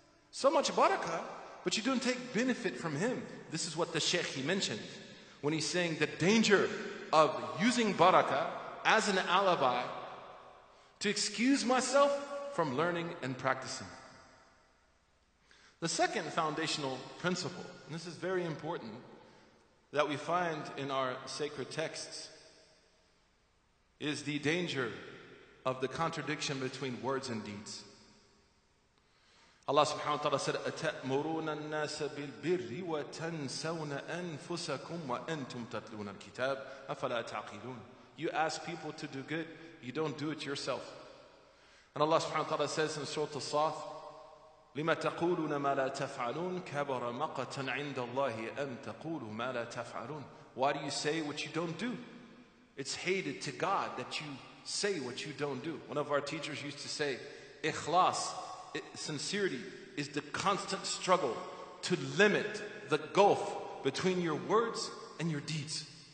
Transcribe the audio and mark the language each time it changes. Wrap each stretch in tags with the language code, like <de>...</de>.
<en>So much barakah, but you don't take benefit from him. This is what the Sheikh he mentioned when he's saying the danger of using barakah as an alibi to excuse myself from learning and practicing. The second foundational principle, and this is very important, that we find in our sacred texts, is the danger of the contradiction between words and deeds. Allah subhanahu wa ta'ala said,</en> <ar>أَتَأْمُرُونَ النَّاسَ بِالْبِرِّ وَتَنْسَوْنَ أَنفُسَكُمْ وَأَنْتُمْ تَتْلُونَ الْكِتَابِ أَفَلَا تَعْقِلُونَ.</ar> <en>You ask people to do good, you don't do it yourself. And Allah subhanahu wa ta'ala says in Surah As-Saff,</en> <ar>لِمَا تَقُولُونَ مَا لَا تَفْعَلُونَ كَبَرَ مَقَةً عِنْدَ اللَّهِ أَن تَقُولُوا مَا لَا تَفْعَلُونَ.</ar> <en>Why do you say what you don't do? It's hated to God that you say what you don't do. One of our teachers used to say, ikhlas, sincerity, is the constant struggle to limit the gulf between your words and your deeds.</en>